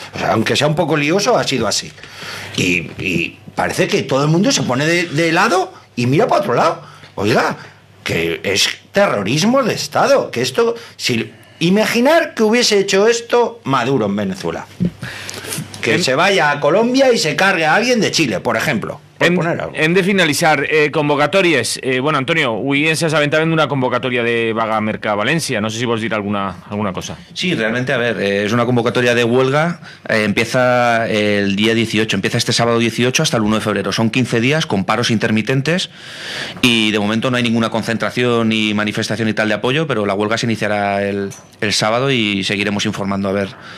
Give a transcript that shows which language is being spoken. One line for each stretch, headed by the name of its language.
Spanish: O sea, aunque sea un poco lioso, ha sido así. Y parece que todo el mundo se pone de lado y mira para otro lado. Oiga, que es terrorismo de Estado. Que esto, si... Imaginar que hubiese hecho esto Maduro en Venezuela. Que se vaya a Colombia y se cargue a alguien de Chile, por ejemplo.
Catalan: Hem de finalitzar. Convocatòries. Bueno, Antonio, avui ens has aventat una convocatòria de vaga a Mercat València. No sé si vols dir alguna cosa.
Spanish: Sí, realmente, a ver, es una convocatòria de huelga. Empieza el día 18, empieza este sábado 18 hasta el 1 de febrero. Son 15 días con paros intermitentes y de momento no hay ninguna concentración ni manifestación y tal de apoyo, pero la huelga se iniciará el sábado y seguiremos informando a ver.